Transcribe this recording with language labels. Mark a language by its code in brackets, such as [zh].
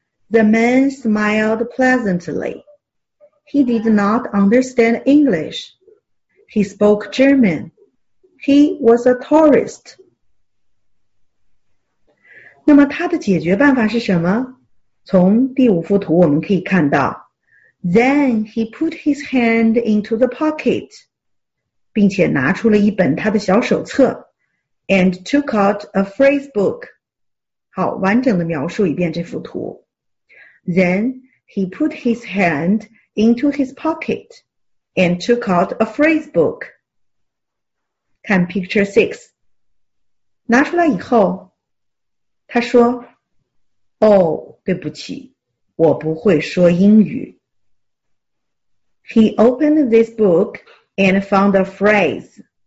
[en] The man smiled pleasantly. He did not understand English. He spoke German. He was a tourist. [zh] 那么他的解决办法是什么？从第五幅图我们可以看到。 [en] Then he put his hand into the pocket, [zh] 并且拿出了一本他的小手册 [en] and took out a phrase book. [zh] 好，完整的描述一遍这幅图。 [en] Then he put his hand into his pocket. And took out a phrase book. [zh] 看 [en] picture 6. [zh] 拿出来以后，他说，哦，对不起，我不会说英语。 [en] He opened this book and found a phrase.